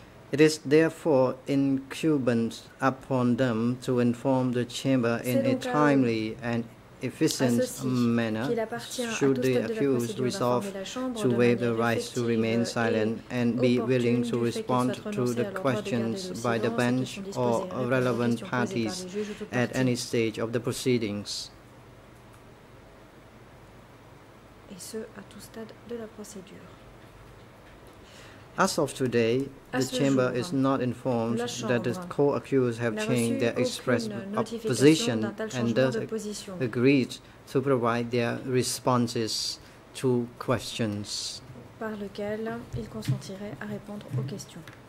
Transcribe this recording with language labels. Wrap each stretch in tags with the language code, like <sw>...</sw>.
<en>It is therefore incumbent upon them to inform the chamber in a timely and efficient manner should the accused resolve to waive the right to remain silent and be willing to respond to the questions by the bench or relevant parties at any stage of the proceedings.</en> <fr>Et ce, à tout stade de la procédure.</fr> <en>As of today, the chamber is not informed that the co-accused have changed their express position and thus agreed to provide their responses to questions.</en> <fr>Par lequel ils consentiraient à répondre aux questions.</fr>